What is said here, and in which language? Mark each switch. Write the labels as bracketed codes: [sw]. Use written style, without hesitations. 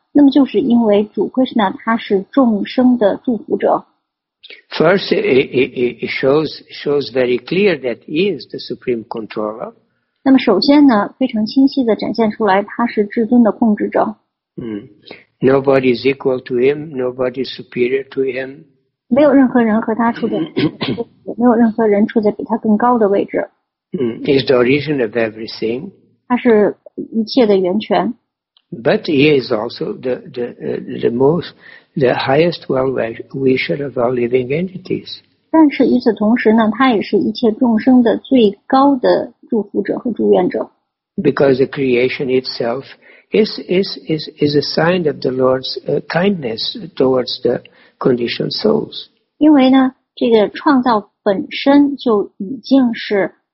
[zh] 那么就是因为主 Krishna 他是众生的祝福者。 [en] First, it shows very clear that he is the supreme controller. [zh] 那么首先呢，非常清晰地展现出来他是至尊的控制者。 [en] Nobody is equal to him. Nobody is superior to him. [zh] 没有任何人和他处在，没有任何人处在比他更高的位置。 [en] He's the origin of everything. [zh] 他是一切的源泉。 [en] But he is also the highest well-wisher of all living entities. [zh] 但是与此同时呢，他也是一切众生的最高的祝福者和祝愿者。 [en] Because the creation itself is a sign of the Lord's kindness towards the. Conditioned souls. [zh] 因为呢，这个创造本身就已经是